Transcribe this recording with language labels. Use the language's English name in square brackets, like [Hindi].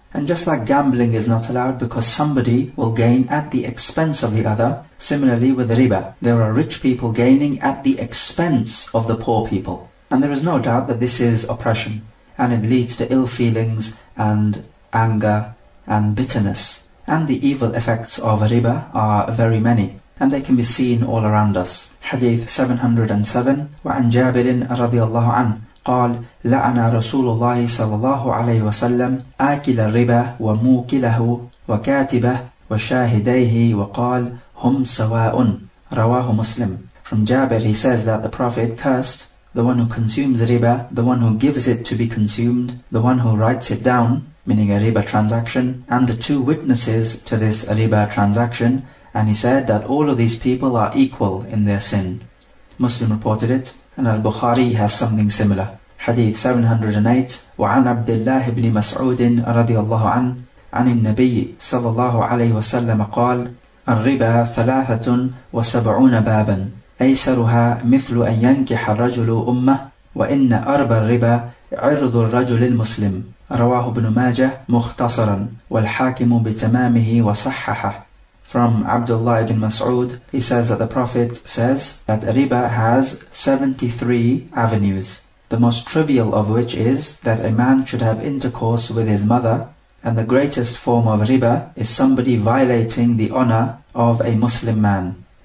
[English] And just like gambling is not allowed because somebody will gain at the expense of the other, similarly with riba, there are rich people gaining at the expense of the poor people. And there is no doubt that this is oppression, and it leads to ill feelings and anger and bitterness. And the evil effects of riba are very many, and they can be seen all around us. Hadith 707, [Arabic] وَعَنْ جَابِرٍ رَضِيَ اللَّهُ عَنْهُ قال لعن رسول الله صلى الله عليه وسلم آكل الربا وموكله وكاتبه وشاهديه وقال هم سواء رواه مسلم. [English] From Jabir he says that the Prophet cursed the one who consumes riba, the one who gives it to be consumed, the one who writes it down, meaning a riba transaction, and the two witnesses to this riba transaction, and he said that all of these people are equal in their sin. Muslim reported it, and Al-Bukhari has something similar. Hadith 708, [Arabic] وعن عبد الله بن مسعود رضي الله عنه عن النبي صلى الله عليه وسلم قال الربا ثلاثة وسبعون بابا أيسرها مثل أن ينكح الرجل أمه وإن أربى الربا عرض الرجل المسلم رواه ابن ماجه مختصرا والحاكم بتمامه وصححه. [English] From Abdullah ibn Mas'ud, he says that the Prophet says that riba has 73 avenues, the most trivial of which is that a man should have intercourse with his mother, and the greatest form of riba is somebody violating the honor of a Muslim man.